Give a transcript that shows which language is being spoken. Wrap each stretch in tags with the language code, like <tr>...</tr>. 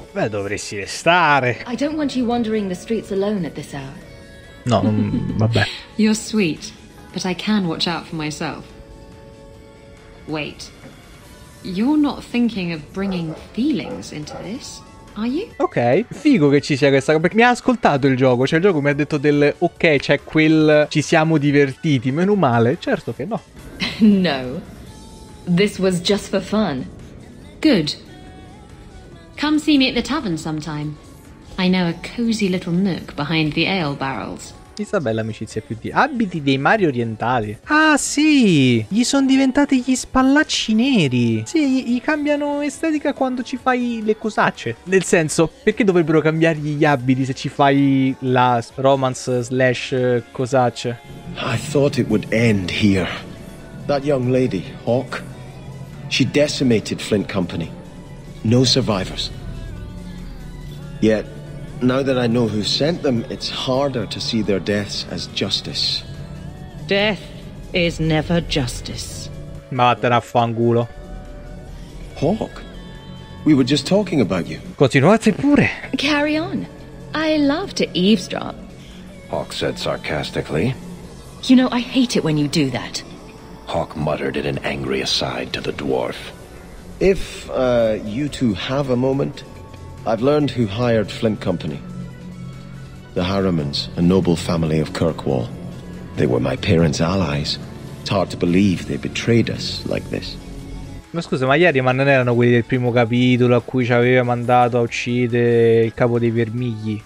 <it>Beh, dovresti restare.</it> <en>I don't want you wandering the streets alone at this hour.</en> <it>No, vabbè.</it> <en>You're sweet, but I can watch out for myself. Wait. You're not thinking of bringing feelings into this, are you?</en> <it>Ok, figo che ci sia questa cosa. Mi ha ascoltato il gioco, cioè il gioco mi ha detto del ok, c'è quel ci siamo divertiti, meno male. Certo che no.</it> <en>No. This was just for fun. Good. Come see me at the tavern sometime. I know a cozy little nook behind the ale barrels.</en> <it>Isabella, amicizia più di abiti dei mari orientali. Ah sì, gli sono diventati gli spallacci neri. Sì, gli cambiano estetica quando ci fai le cosacce. Nel senso, perché dovrebbero cambiargli gli abiti se ci fai la romance slash cosacce?</it> <en>I thought it would end here. That young lady, Hawk, she decimated Flint Company. No survivors. Yet, now that I know who sent them, it's harder to see their deaths as justice. Death is never justice.</en> <it>Ma vattene a fanculo.</it> <en>Hawk, we were just talking about you.</en> <it>Continuate pure.</it> <en>Carry on. I love to eavesdrop. Hawk said sarcastically. You know, I hate it when you do that. Hawk muttered in an angry aside to the dwarf. If you two have a moment, I've learned who hired Flint Company. The Harrimans, a noble family of Kirkwall. They were my parents' allies. It's hard to believe they betrayed us like this.</en> <it>Ma scusa, ma gli Harriman non erano quelli del primo capitolo a cui ci aveva mandato a uccidere il capo dei vermigli?</it>